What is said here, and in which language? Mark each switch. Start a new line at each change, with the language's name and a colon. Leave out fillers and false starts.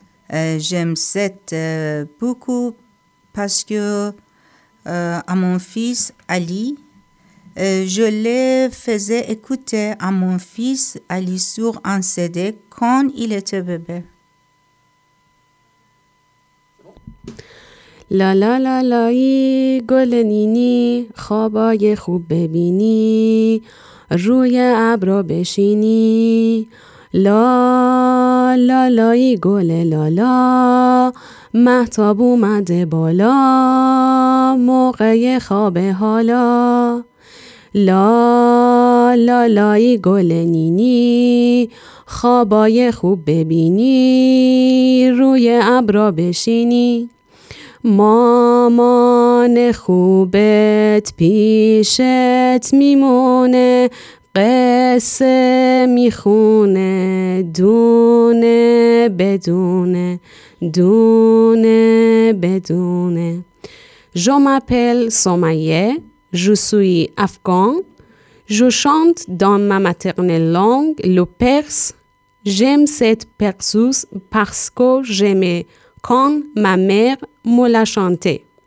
French: J'aime cette beaucoup parce que à mon fils Ali, je le faisais écouter à mon fils Ali sur un CD quand il était bébé.
Persian: لا لا لا لایی گل نینی خوابای خوب ببینی روی ابر را بشینی لا لا لایی گل لالا مهتاب اومده بالا موقع خواب حالا لا لا لایی گل نینی خوابای خوب ببینی روی ابر را بشینی مامان خوبت پیشت میمونه قصه میخونه دونه بدونه دونه بدونه.
French: Je m'appelle Somaye, je suis afghan, je chante dans ma maternelle langue, le perse. J'aime cette perseuse parce que j'aimais quand ma mère me la chantait.